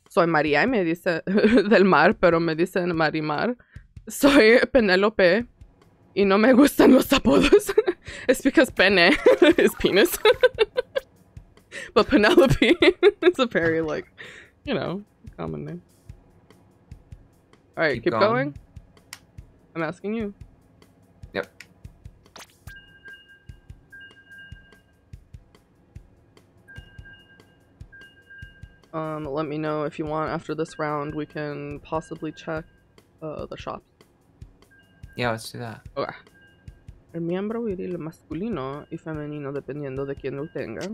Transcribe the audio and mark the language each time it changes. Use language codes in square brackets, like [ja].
[es] Soy Maria, y me dicen del mar, pero me dicen Marimar. Soy Penelope, y no me gustan los apodos. [en] It's because Pene is penis. But Penelope is a very, like, you know, common name. Alright, keep going. I'm asking you. Yep. Let me know if you want. After this round, we can possibly check the shop. Yeah, let's do that. Okay. [es] El miembro viril masculino y femenino dependiendo de quien lo tenga.